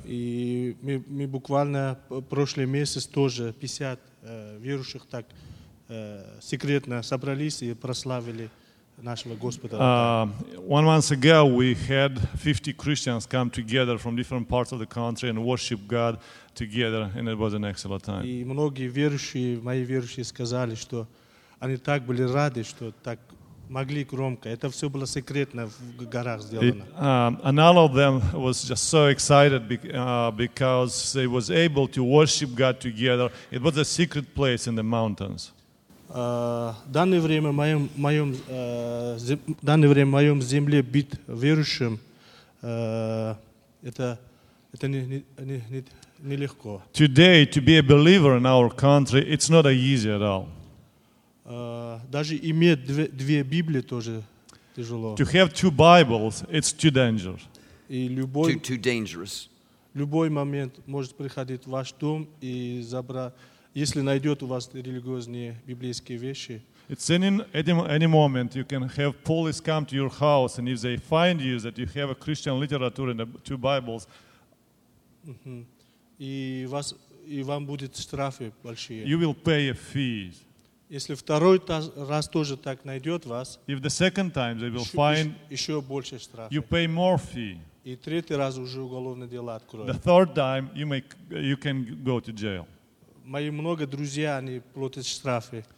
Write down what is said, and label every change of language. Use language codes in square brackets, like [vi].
[ru] И мы буквально прошлый месяц тоже 50 верующих так секретно собрались и прославили нашего Господа. [en] 1 month ago, we had 50 Christians come together from different parts of the country and worship God together, and it was an excellent time. [ru] И многие верующие, мои верующие сказали, что они так были рады, что так могли громко. Это все было секретно в горах сделано. [en] And all of them was just so excited because they was able to worship God together. It was a secret place in the mountains. [ru] Данное время в моем земле бит верующим, это не легко. [en] Today, to be a believer in our country, it's not easy at all. [ru] Даже иметь две Библии тоже тяжело. [en] To have two Bibles, it's too dangerous. [ru] И любой, [en] too dangerous. [ru] Любой момент может приходить в ваш дом и забрать... Если найдет у вас религиозные библейские вещи. [en] It's in any moment you can have police come to your house, and if they find you that you have a Christian literature and two Bibles, [ru] и вам будут штрафы большие. [en] You will pay a fee. [ru] Если второй раз тоже так найдет вас, [en] if the second time they will find, [ru] еще больше штрафы. [en] You pay more fee. [ru] И третий раз уже уголовное дело откроют. [en] The third time you can go to jail. [ru] Мои много друзья, они платят штрафы.